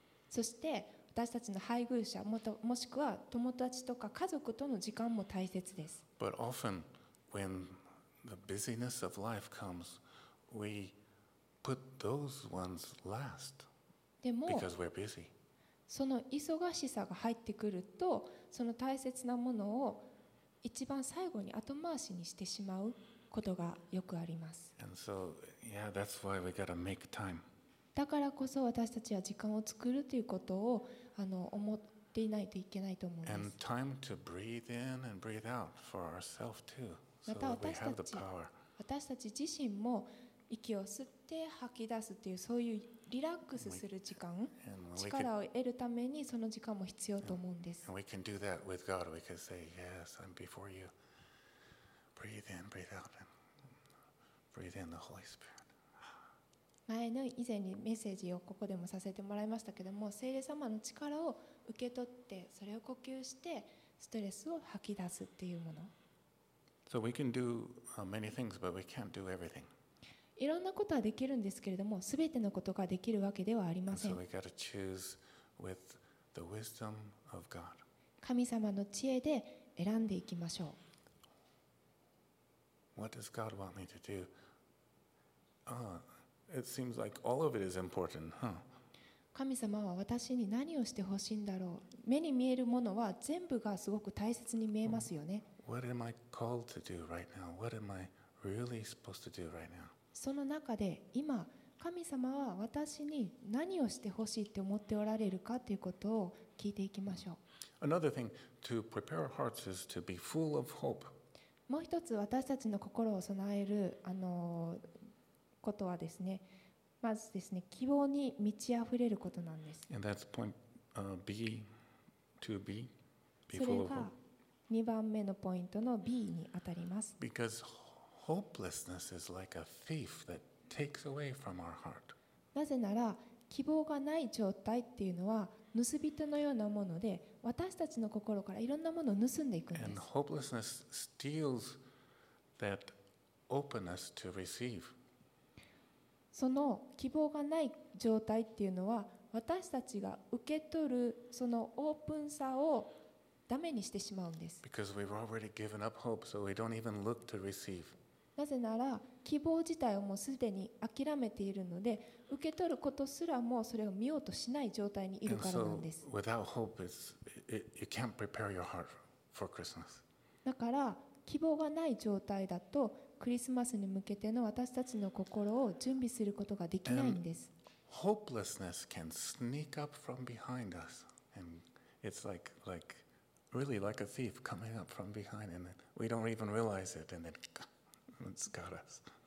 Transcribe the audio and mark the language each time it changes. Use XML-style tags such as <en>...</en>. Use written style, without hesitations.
<ja>そして私たちの配偶者、もしくは友達とか家族との時間も大切です。</ja> <en>But often, when the busyness of life comes, we put those ones last because we're busy.</en> <ja>その忙しさが入ってくると、その大切なものを一番最後に後回しにしてしまうことがよくあります。</ja> <en>And so, yeah, that's why we gotta make time.</en> <ja>だからこそ私たちは時間を作るということを思っていないといけないと思うんです。</ja> <en>And time to breathe in and breathe out for ourselves too.</en> <ja>また私たち自身も息を吸って吐き出すというそういうリラックスする時間、力を得るためにその時間も必要と思うんです。</ja> <en>And we can do that with God. We can say, "Yes, I'm before you. Breathe in, breathe out, and breathe in the Holy Spirit."</en> <ja>前の以前にメッセージをここでもさせてもらいましたけども聖霊様の力を受け取ってそれを呼吸してストレスを吐き出すっていうもの。</ja> <en>So we can do many things, but we can't do everything.</en> <ja>いろんなことはできるんですけれども全てのことができるわけではありません。</ja> <en>So we gotta choose with the wisdom of God.</en> <ja>神様の知恵で選んでいきましょう。</ja> <en>What does God want me to do? It seems like all of it is important, huh?</en> <ja>神様は私に何をしてほしいんだろう。目に見えるものは全部がすごく大切に見えますよね。</ja> <en>What am I called to do right now? What am I really supposed to do right now?</en> <ja>その中で今神様は私に何をしてほしいって思っておられるかということを聞いていきましょう。</ja> <en>Another thing to prepare our hearts is to be full of hope.</en> <ja>もう一つ私たちの心を備えることはですね、まずですね、希望に満ち溢れることなんです。</ja> <en>And that's point B to B.</en> <ja>それが二番目のポイントの B に当たります。</ja> <en>Because hopelessness is like a thief that takes away from our heart.</en> <ja>なぜなら希望がない状態っていうのは盗人のようなもので、私たちの心からいろんなものを盗んでいくんです。</ja> <en>And hopelessness steals that openness to receive.</en> <ja>その希望がない状態っていうのは私たちが受け取るそのオープンさをダメにしてしまうんです。</ja> <en>Because we've already given up hope, so we don't even look to receive.</en> <ja>なぜなら希望自体をもうすでに諦めているので受け取ることすらもそれを見ようとしない状態にいるからなんです。</ja> <en>And so without hope, you can't prepare your heart for Christmas.</en> <ja>だから希望がない状態だとクリスマスに向けての私たちの心を準備することができないんです。</ja> <en>Hopelessness can sneak up from behind us, and it's like really like a thief coming up from behind, and we don't even realize it, and then it's got us.</en>